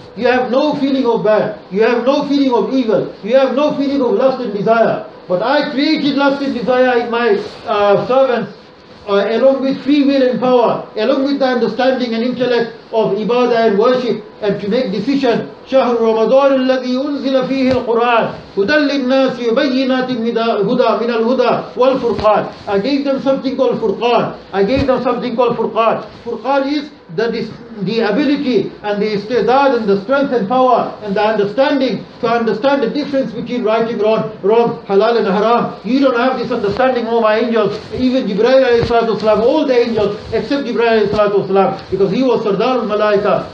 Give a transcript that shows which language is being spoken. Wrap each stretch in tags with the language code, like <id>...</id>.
<en>You have no feeling of bad. You have no feeling of evil. You have no feeling of lust and desire. But I created lust and desire in my servants, along with free will and power, along with the understanding and intellect of ibadah and worship, and to make decision.</en> <ar>شهر رمضان الذي أنزل فيه القرآن هدى للناس وبينات هدى من الهدى والفرقان.</ar> <en>I gave them something called Furqan. I gave them something called Furqan. Furqan is the ability and the istidad and the strength and power and the understanding to understand the difference between right and wrong, halal and haram. You don't have this understanding, oh my angels, even Jibreel</en> <ar>alayhi salatu wasalam,</ar> <en>all the angels except Jibreel alayhi salatu wasalam, because he was Sardar al-Malaika.</en>